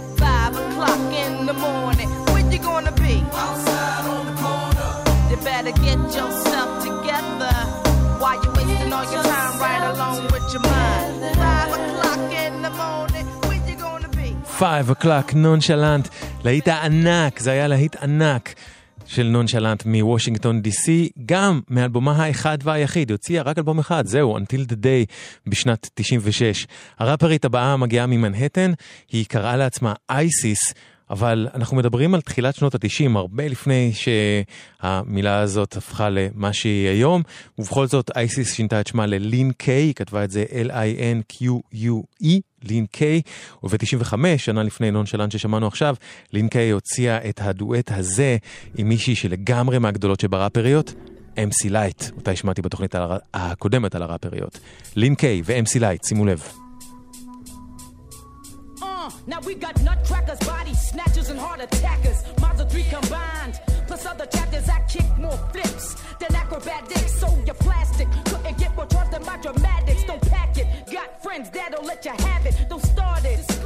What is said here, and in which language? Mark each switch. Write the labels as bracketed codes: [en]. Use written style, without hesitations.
[en] 5 o'clock in the morning, where you gonna be? Outside on the corner. You better get yourself together. Why you wasting all your time right along with your mind? 5 o'clock in the morning, where you gonna be? 5 o'clock, nonchalant. [he] להיט ענק, זה היה להיט ענק של נונשלנט מוושינגטון די-סי, גם מאלבומה האחד והיחיד, הוציאה רק אלבום אחד, זהו, Until the Day בשנת 96. הראפרית הבאה מגיעה ממנהטן, היא קראה לעצמה אייסיס, אבל אנחנו מדברים על תחילת שנות ה-90, הרבה לפני שהמילה הזאת הפכה למה שהיא היום, ובכל זאת אייסיס שינתה את שמה ללין קיי, היא כתבה את זה L-I-N-Q-U-E, לין קיי, וב-95, שנה לפני נונשלנט ששמענו עכשיו, לין קיי הוציאה את הדואט הזה עם מישהי שלגמרי מהגדולות שבראפריות, MC Light, אותה השמעתי בתוכנית הקודמת על הראפריות. לין קיי ו-MC Light, שימו לב. [en] Now we got nutcrackers, body snatchers and heart attackers, Mazda 3 combined, plus other chapters, I kick more flips than acrobatics, so your plastic, couldn't get more charged than my dramatics, don't pack it, got friends that'll let you have it, don't start it,